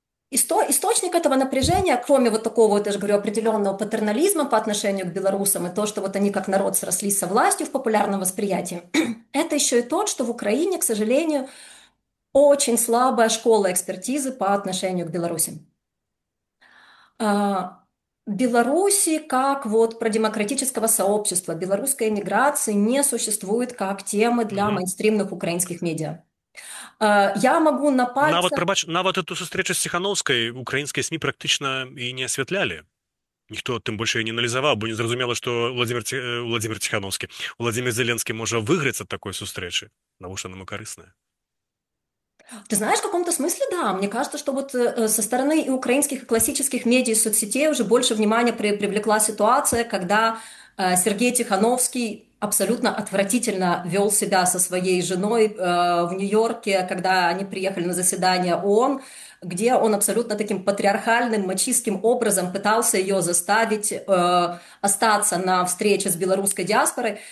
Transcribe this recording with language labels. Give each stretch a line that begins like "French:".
Russian: Источник этого напряжения, кроме вот такого, я же говорю, определенного патернализма по отношению к белорусам и то, что вот они как народ срослись со властью в популярном восприятии, это еще и тот, что в Украине, к сожалению, очень слабая школа экспертизы по отношению к Беларуси. Беларуси как вот про демократического сообщества, белорусской эмиграции не существует как темы для мейнстримных украинских медиа. Я могу на
Belarusian: Нават,
Russian: пальцах...
Belarusian: прабач, нават эту сустрэчу з Ціхановскай украінскія СМІ практычна і не асвятлялі. Ніхто тым больш не аналізаваў, бо не зразумела, што Владзімир Ціхановскі, Владзімир Зеленскі можа выграць ад такой сустрэчы. Навошта нам і карысная?
Russian: Ты знаешь, в каком-то смысле, да. Мне кажется, что вот со стороны и украинских, и классических медиа и соцсетей уже больше внимания привлекла ситуация, когда Сергей Тихановский абсолютно отвратительно вел себя со своей женой в Нью-Йорке, когда они приехали на заседание ООН, где он абсолютно таким патриархальным, мачистским образом пытался ее заставить остаться на встрече с белорусской диаспорой.